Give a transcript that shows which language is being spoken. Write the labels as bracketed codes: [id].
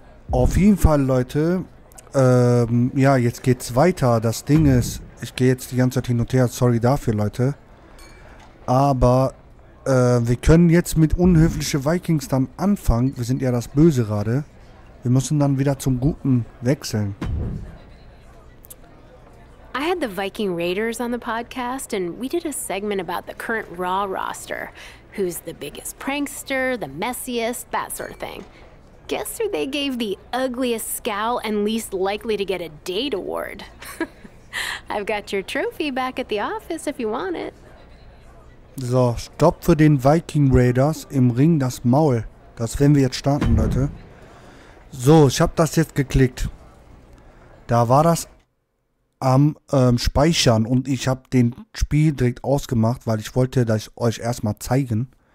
[de] Auf jeden Fall, Leute. Ja, jetzt geht's weiter. Das Ding ist, ich gehe jetzt die ganze Zeit hin und her. Sorry dafür, Leute. Aber wir können jetzt mit unhöfliche Vikings dann anfangen. Wir sind ja das Böse gerade. Wir müssen dann wieder zum Guten wechseln. [en] I had the Viking Raiders on the podcast and we did a segment about the current Raw roster. Who's the biggest prankster, the messiest, that sort of thing. Guess who they gave the ugliest scowl and least likely to get a date award? I've got your trophy back at the office if you want it. [de] So, stopp für den Viking Raiders im Ring das Maul. Das werden wir jetzt starten, Leute. So, ich habe das jetzt geklickt. Da war das am Speichern und ich habe den Spiel direkt ausgemacht, weil ich wollte das euch erstmal zeigen.